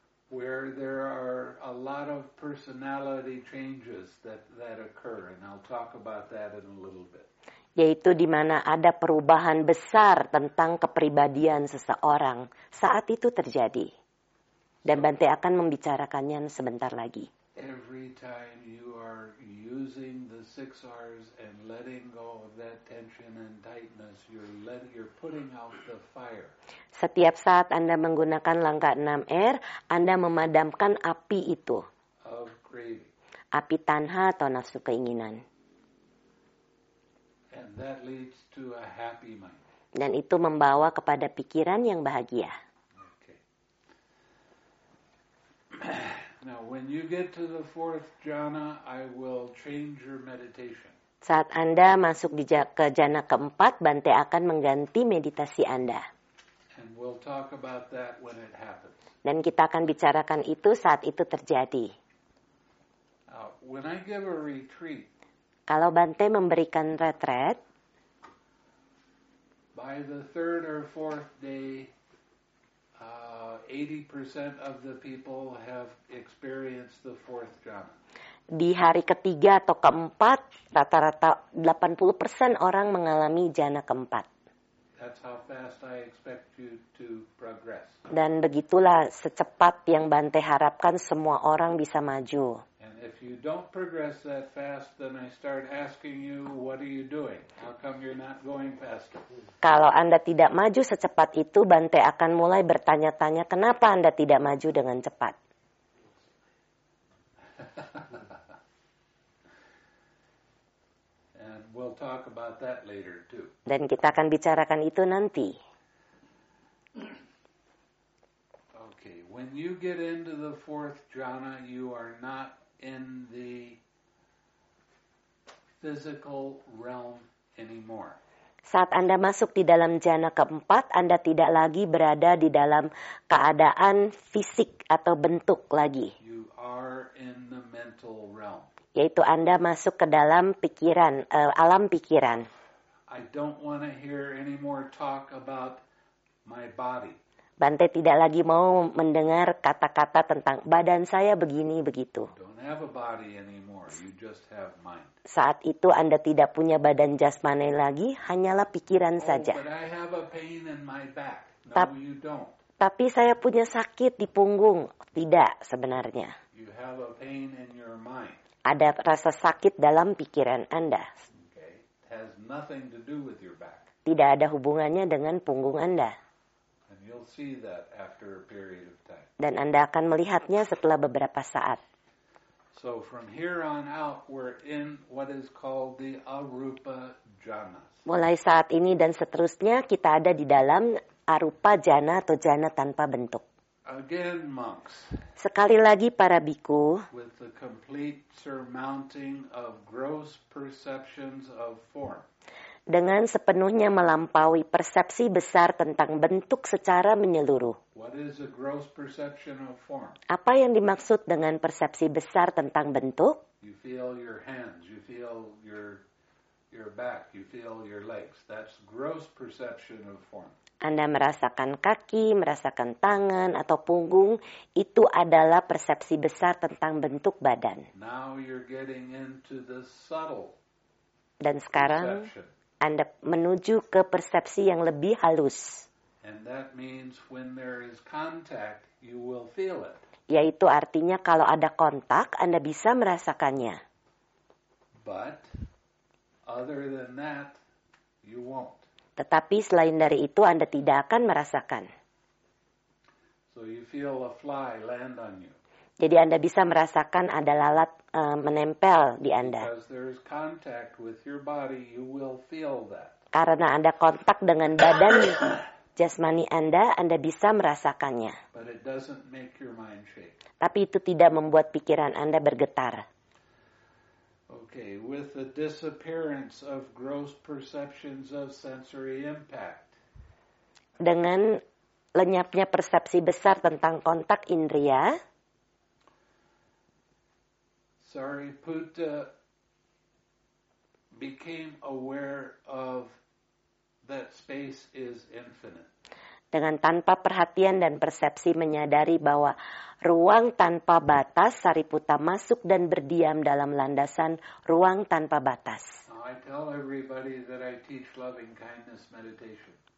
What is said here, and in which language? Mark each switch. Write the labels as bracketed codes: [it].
[en] Where there are a lot of personality changes that occur, and I'll talk about that in a little bit. [id] Yaitu di mana ada perubahan besar tentang kepribadian seseorang saat itu terjadi. Dan Bante akan membicarakannya sebentar lagi. [en] Every time you are using the six R's and letting go of that tension and tightness, you're putting out the fire. [id] Setiap saat Anda menggunakan langkah 6R, Anda memadamkan api itu. [en] Of craving. [id] Api tanha atau nafsu keinginan. [en] And that leads to a happy mind. [id] Dan itu membawa kepada pikiran yang bahagia. [en] Okay. Now, when you get to the fourth jhana, I will change your meditation. [id] Saat Anda masuk ke jhana keempat, Bante akan mengganti meditasi Anda. [en] And we'll talk about that when it happens. [id] Dan kita akan bicarakan itu saat itu terjadi. [en] When I give a retreat. [id] Kalau Bante memberikan retret, [en] by the third or fourth day, 80% of the people have experienced the fourth jhana. [id] Di hari ketiga atau keempat, rata-rata 80% orang mengalami jhana keempat. [en] that's how fast I expect you to progress. [id] Dan begitulah secepat yang Bante harapkan semua orang bisa maju. [en] And if you don't progress that fast, then I start asking you, what are you doing? How come you're not going faster? [id] Kalau Anda tidak maju secepat itu, Bante akan mulai bertanya-tanya, kenapa Anda tidak maju dengan cepat? [en] And we'll talk about that later too. [id] Dan kita akan bicarakan itu nanti. [en] Okay, when you get into the fourth jhana, you are not in the physical realm anymore. [id] Saat Anda masuk di dalam jhana keempat, Anda tidak lagi berada di dalam keadaan fisik atau bentuk lagi. [en] You are in the mental realm. [id] Yaitu Anda masuk ke dalam pikiran, alam pikiran. [en] I don't want to hear any more talk about my body. [id] Bante tidak lagi mau mendengar kata-kata tentang badan saya begini begitu. [en] Don't have a body anymore. You just have mind. [id] Saat itu Anda tidak punya badan jasmani lagi, hanyalah pikiran saja. [en] But I have a pain in my back. No, you don't. [id] Tapi saya punya sakit di punggung. Tidak sebenarnya. [en] You have a pain in your mind. [id] Ada rasa sakit dalam pikiran Anda. [en] Okay. It has nothing to do with your back. [id] Tidak ada hubungannya dengan punggung Anda. [en] And you'll see that after a period of time. [id] Dan Anda akan melihatnya setelah beberapa saat. [en] So from here on out, we're in what is called the arupa jhanas. [id] Mulai saat ini dan seterusnya kita ada di dalam arupa jhana atau jhana tanpa bentuk. [en] Again, monks. [id] Sekali lagi para bhikkhu. [en] With the complete surmounting of gross perceptions of form. [id] Dengan sepenuhnya melampaui persepsi besar tentang bentuk secara menyeluruh. [en] What is a gross perception of form? [id] Apa yang dimaksud dengan persepsi besar tentang bentuk? [en] You feel your hands, you feel your back, you feel your legs. That's gross perception of form. [id] Anda merasakan kaki, merasakan tangan atau punggung, itu adalah persepsi besar tentang bentuk badan. [en] Now you're getting into the subtle. [id] Dan sekarang [en] perception. [id] Anda menuju ke persepsi yang lebih halus. [en] And that means when there is contact, you will feel it. [id] Yaitu artinya kalau ada kontak, Anda bisa merasakannya. [en] But other than that, you won't. [id] Tetapi selain dari itu, Anda tidak akan merasakan. [en] So you feel a fly land on you. [id] Jadi Anda bisa merasakan ada lalat menempel di Anda. [en] Because there is contact with your body, you will feel that. [id] Karena ada kontak dengan badan jasmani Anda, Anda bisa merasakannya. [en] But it doesn't make your mind shake. [id] Tapi itu tidak membuat pikiran Anda bergetar. [en] Okay, with the disappearance of gross perceptions of sensory impact. [id] Dengan lenyapnya persepsi besar tentang kontak indria. [en] Sariputta became aware of that space is infinite. [id] Dengan tanpa perhatian dan persepsi menyadari bahwa ruang tanpa batas, Sariputta masuk dan berdiam dalam landasan ruang tanpa batas. [en] I tell everybody that I teach loving kindness meditation.